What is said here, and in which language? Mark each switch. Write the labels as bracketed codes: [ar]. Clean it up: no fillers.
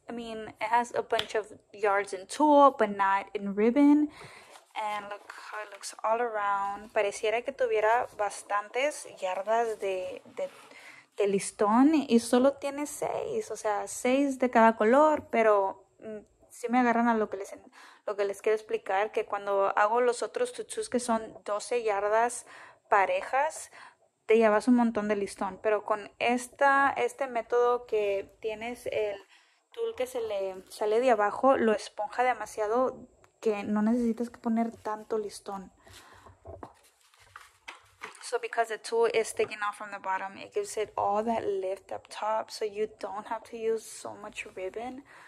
[en] I mean, it has a bunch of yards in tulle, but not in ribbon. And look how it looks all around. [es] Pareciera que tuviera bastantes yardas de listón y solo tiene seis. O sea, seis de cada color, pero si me agarran a lo que les quiero explicar, que cuando hago los otros tutus que son 12 yardas parejas, te llevas un montón de listón, pero con este método que tienes el tool que se le sale de abajo, lo esponja demasiado que no necesitas que poner tanto listón. [en] So because the tool is sticking out from the bottom, it gives it all that lift up top, so you don't have to use so much ribbon.